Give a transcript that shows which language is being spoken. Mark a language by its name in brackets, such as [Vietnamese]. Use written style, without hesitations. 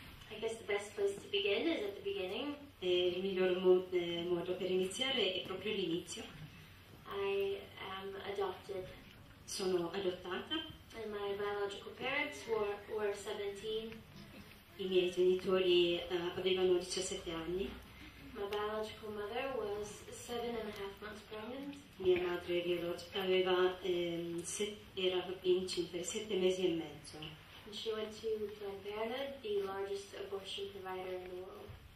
[English] I guess the best place to begin is at the beginning. [Italian] E il miglior modo per iniziare è proprio l'inizio. [English] I am adopted. [Italian] Sono adottata. [English] And my biological parents were 17. [Italian] I miei genitori avevano 17 anni. [English] My biological mother was 7.5 months pregnant. [Italian] Mia madre biologica era incinta 7 mesi e mezzo. [English] And she went to Planned Parenthood, the largest abortion provider in the world.